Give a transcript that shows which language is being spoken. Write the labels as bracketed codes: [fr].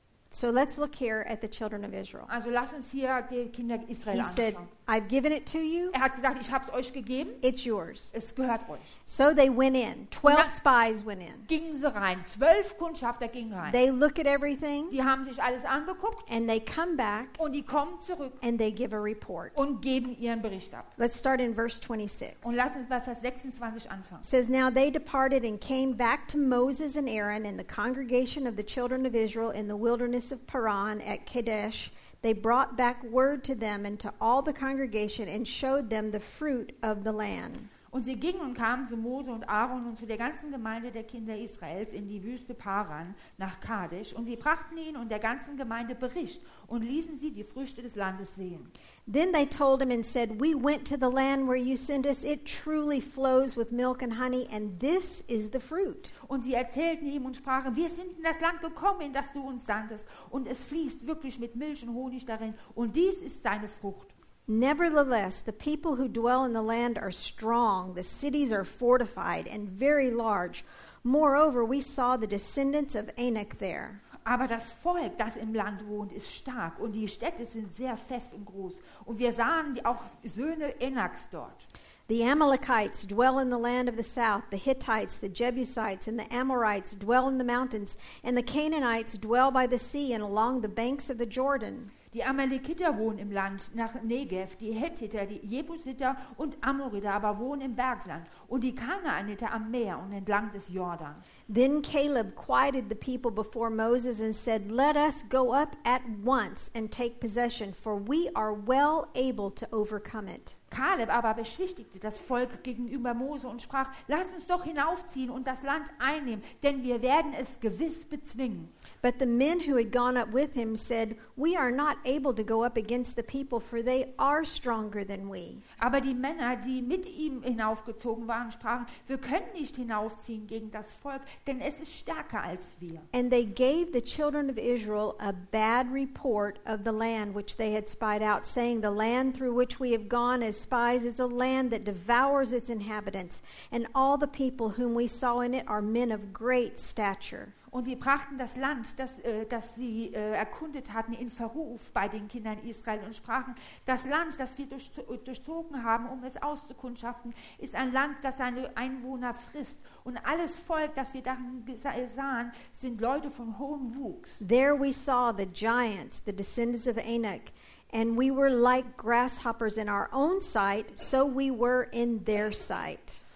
[en] So let's look here at the children of Israel. [de] Also lass uns hier die Kinder Israel anschauen. [en] He said, I've given it to you. [de] Er hat gesagt, ich hab's euch gegeben. [en] It's yours. [de] Es gehört euch. [en] So they went in. 12 spies went in. [de] Gingen sie rein. 12 Kundschafter gingen rein. [en] They look at everything. [de] Die haben sich alles angeguckt. [en] And they come back. [de] Und die kommen zurück. [en] And they give a report. [de] Und geben ihren Bericht ab. [en] Let's start in verse 26. [de] Und lass uns bei Vers 26 anfangen. [en] It says, now they departed and came back to Moses and Aaron and the congregation of the children of Israel in the wilderness of Paran at Kadesh. They brought back word to them and to all the congregation and showed them the fruit of the land. [de] Und sie gingen und kamen zu Mose und Aaron und zu der ganzen Gemeinde der Kinder Israels in die Wüste Paran nach Kadesh. Und sie brachten ihnen und der ganzen Gemeinde Bericht und ließen sie die Früchte des Landes sehen. [en] Then they told him and said, we went to the land where you sent us. It truly flows with milk and honey, and this is the fruit. [de] Und sie erzählten ihm und sprachen, wir sind in das Land gekommen, in das du uns sandest. Und es fließt wirklich mit Milch und Honig darin, und dies ist seine Frucht. [en] Nevertheless, the people who dwell in the land are strong. The cities are fortified and very large. Moreover, we saw the descendants of Anak there. [de] Aber das Volk, das im Land wohnt, ist stark und die Städte sind sehr fest und groß. Und wir sahen auch Söhne Enaks dort. [en] The Amalekites dwell in the land of the south. The Hittites, the Jebusites, and the Amorites dwell in the mountains. And the Canaanites dwell by the sea and along the banks of the Jordan. [de] Die Amalekiter wohnen im Land nach Negev, die Hethiter, die Jebusiter und Amoriter aber wohnen im Bergland und die Kanaaniter am Meer und entlang des Jordan. [en] Then Caleb quieted the people before Moses and said, let us go up at once and take possession, for we are well able to overcome it. [de] Caleb aber beschwichtigte das Volk gegenüber Mose und sprach, lass uns doch hinaufziehen und das Land einnehmen, denn wir werden es gewiss bezwingen. [en] But the men who had gone up with him said, we are not able to go up against the people, for they are stronger than we. [de] Aber die Männer, die mit ihm hinaufgezogen waren, sprachen, wir können nicht hinaufziehen gegen das Volk, denn es ist stärker als wir. [en] And they gave the children of Israel a bad report of the land which they had spied out, saying, the land through which we have gone as spies is a land that devours its inhabitants, and all the people whom we saw in it are men of great stature. [de] Und sie brachten das Land, das sie erkundet hatten, in Verruf bei den Kindern Israel und sprachen, das Land, das wir durchzogen haben, um es auszukundschaften, ist ein Land, das seine Einwohner frisst. Und alles Volk, das wir darin sahen, sind Leute von hohem Wuchs. [en] There we saw the giants, the descendants of Anak, and we were like grasshoppers in our own sight, so we were in their sight.